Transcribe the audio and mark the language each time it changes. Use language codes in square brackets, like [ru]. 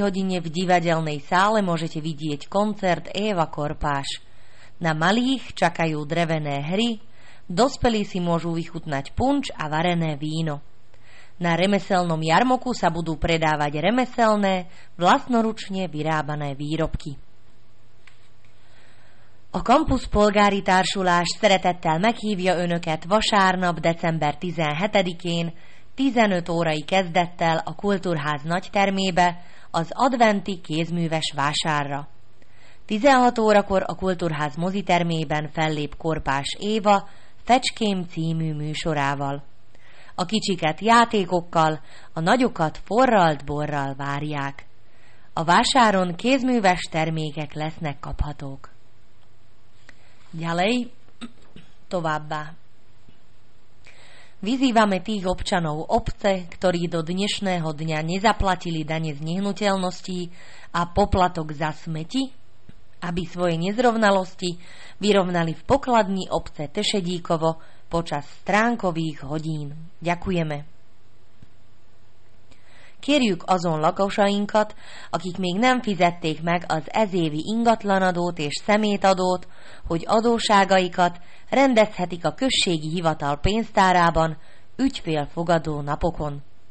[sk] hodine v divadelnej sále môžete vidieť koncert Eva Korpáš. Na malých čakajú drevené hry, dospelí si môžu vychutnať punč a varené víno. Na remeselnom jarmoku sa budú predávať remeselné, vlastnoručne vyrábané výrobky. [hu] A Campus Polgári Társulás szeretettel meghívja önöket vasárnap, december 17-én, 15 órai kezdettel a Kultúrház nagytermébe az adventi kézműves vásárra. 16 órakor a Kultúrház mozitermében fellép Korpás Éva Fecském című műsorával. A kicsiket játékokkal, a nagyokat forralt borral várják. A vásáron kézműves termékek lesznek kaphatók. [sk] Ďalej, [hu] továbbá. [sk] Vyzývame tých občanov obce, ktorí do dnešného dňa nezaplatili dane z nehnuteľností a poplatok za smeti, aby svoje nezrovnalosti vyrovnali v pokladni obce Tešedíkovo počas stránkových hodín. Ďakujeme. [hu] Kérjük azon lakosainkat, akik még nem fizették meg az ezévi ingatlanadót és szemétadót, hogy adóságaikat rendezhetik a községi hivatal pénztárában ügyfélfogadó napokon.